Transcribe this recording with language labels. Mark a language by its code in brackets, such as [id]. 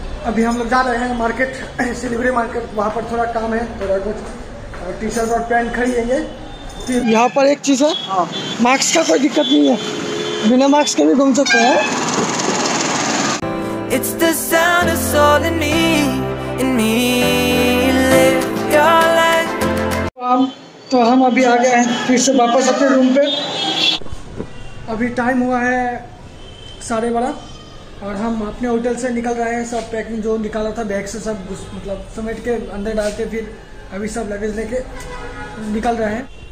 [hi] अभी हम लोग जा रहे हैं मार्केट, सिलीगुड़ी मार्केट, वहाँ पर थोड़ा काम है, थोड़ा कुछ टी शर्ट और पैंट खरीदेंगे. यहाँ पर एक चीज़ है, मास्क का कोई दिक्कत नहीं है, बिना मास्क के भी घूम सकते हैं. [en] It's the sound of soul in me, live your life. [hi] तो हम अभी आ गए हैं फिर से वापस अपने रूम पे. अभी टाइम हुआ है 12:30 और हम अपने होटल से निकल रहे हैं. सब पैकिंग जो निकाला था बैग से सब मतलब समेट के अंदर डाल के फिर अभी सब लगेज लेके निकल रहे हैं.